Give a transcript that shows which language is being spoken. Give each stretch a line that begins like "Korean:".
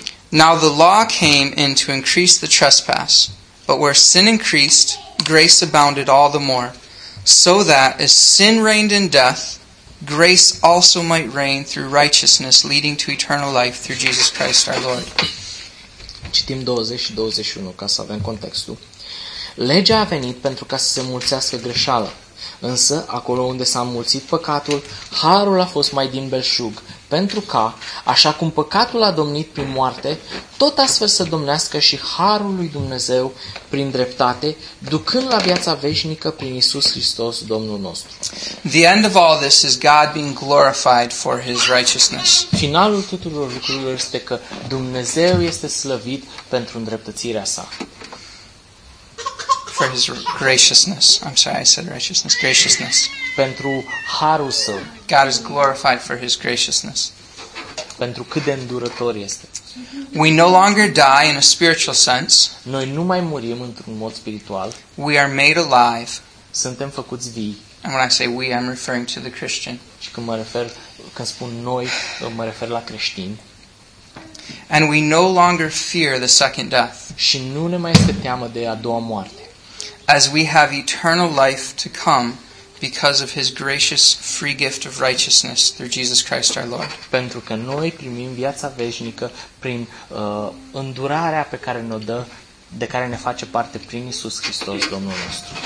English: Now the law came in to increase the trespass, but where sin increased, grace abounded all the more, so that as sin reigned in death, grace also might reign through righteousness leading to eternal life through Jesus Christ our Lord.
Romanian: Citim 20 și 21 ca să avem contextul. Legea a venit pentru ca să se mulțească greșeala. Însă, acolo unde s-a mulțit păcatul, harul a fost mai din belșug, pentru ca, așa cum păcatul a domnit prin moarte, tot astfel să domnească și harul lui Dumnezeu prin dreptate, ducând la viața veșnică prin Iisus Hristos, Domnul nostru.
English: The end of all this is God being glorified for His righteousness.
Romanian: Finalul tuturor lucrurilor este că Dumnezeu este slăvit pentru îndreptățirea sa.
English: For His graciousness. I'm sorry, I said righteousness. Graciousness.
Romanian: Pentru harul său.
English: God is glorified for His graciousness.
Romanian: Pentru cât de îndurător este.
English: We no longer die in a spiritual sense.
Romanian: Noi nu mai murim într-un mod spiritual.
English: We are made alive.
Romanian: Suntem făcuți vii.
English: And when I say we, I'm referring to the Christian.
Romanian: Și când mă refer, când spun noi, mă refer la creștini.
English: And we no longer fear the second death.
Romanian: Și nu ne mai este teamă de a doua moarte.
English: As we have eternal life to come because of His gracious free gift of righteousness through Jesus Christ our Lord.
Romanian: Pentru că noi primim viața veșnică prin îndurarea pe care ne-o dă, de care ne face parte prin Iisus Hristos, Domnul nostru.